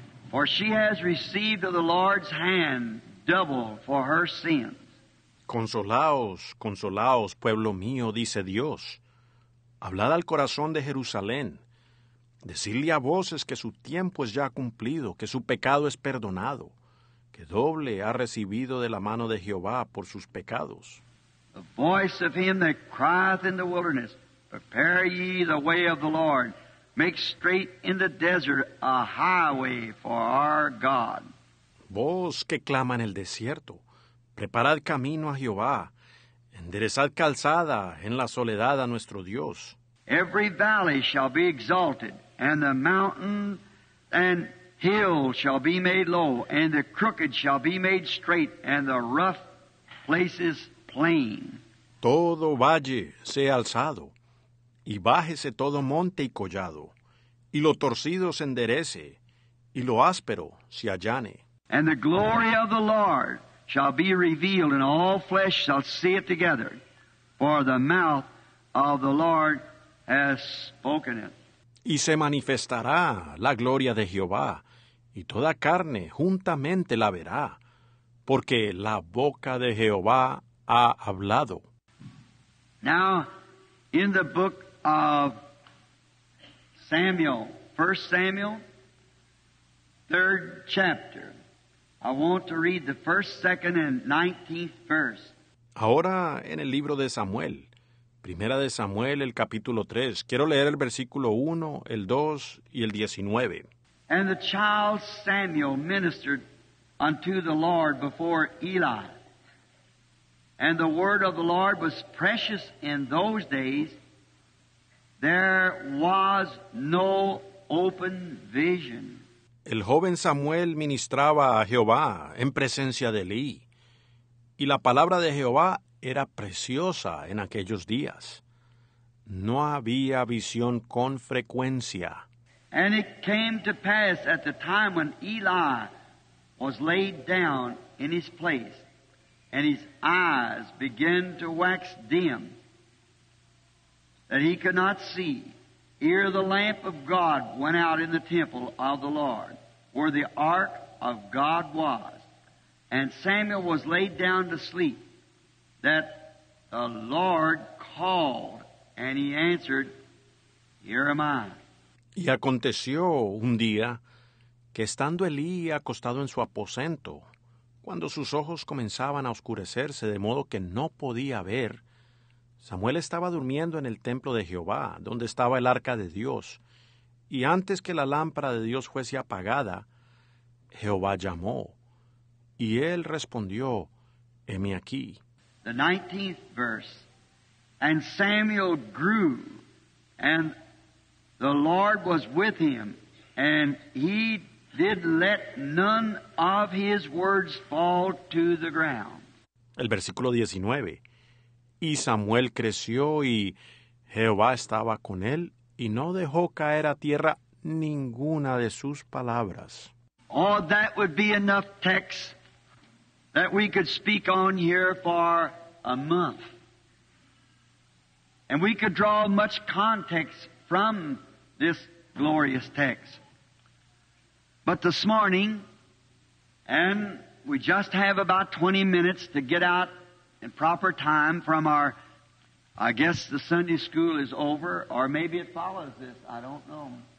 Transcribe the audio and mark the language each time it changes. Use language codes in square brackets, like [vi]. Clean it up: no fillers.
[en] For she has received of the Lord's hand double for her sins. [es] Consolaos, consolaos, pueblo mío, dice Dios. Hablad al corazón de Jerusalén. Decidle a voces que su tiempo es ya cumplido, que su pecado es perdonado, que doble ha recibido de la mano de Jehová por sus pecados. [en] the voice of him that crieth in the wilderness, prepare ye the way of the Lord, make straight in the desert a highway for our God. [es] Voz que clama en el desierto, preparad camino a Jehová, enderezad calzada en la soledad a nuestro Dios. [en] Every valley shall be exalted, and the mountain and hill shall be made low, and the crooked shall be made straight, and the rough places plain. [es] Todo valle sea alzado, y bájese todo monte y collado, y lo torcido se enderece, y lo áspero se allane. [en] And the glory of the Lord shall be revealed, and all flesh shall see it together, for the mouth of the Lord has spoken it. [es] Y se manifestará la gloria de Jehová, y toda carne juntamente la verá, porque la boca de Jehová ha hablado. [en] Now, in the book of Samuel, 1 Samuel, 3rd chapter, I want to read the 1st, 2nd, and 19th verse. [es] Ahora, en el libro de Samuel, Primera de Samuel, el capítulo 3, quiero leer el versículo 1, el 2 y el 19. [en] And the child Samuel ministered unto the Lord before Eli. And the word of the Lord was precious in those days. There was no open vision. [es] El joven Samuel ministraba a Jehová en presencia de Eli. Y la palabra de Jehová era preciosa en aquellos días. No había visión con frecuencia. [en] And it came to pass at the time when Eli was laid down in his place, and his eyes began to wax dim, that he could not see, ere the lamp of God went out in the temple of the Lord, where the ark of God was. And Samuel was laid down to sleep, that the Lord called, and he answered, Here am I. [es] Y aconteció un día que estando Elí acostado en su aposento, cuando sus ojos comenzaban a oscurecerse de modo que no podía ver, Samuel estaba durmiendo en el templo de Jehová, donde estaba el arca de Dios, y antes que la lámpara de Dios fuese apagada, Jehová llamó, y él respondió, Heme aquí. [en] The 19th verse, and Samuel grew, and the Lord was with him, and he did let none of his words fall to the ground. [es] El versículo 19. Y Samuel creció, y Jehová estaba con él, y no dejó caer a tierra ninguna de sus palabras. [en] Oh, that would be enough text that we could speak on here for a month. And we could draw much context from this glorious text. But this morning, and we just have about 20 minutes to get out in proper time from our, I guess the Sunday school is over, or maybe it follows this, I don't know.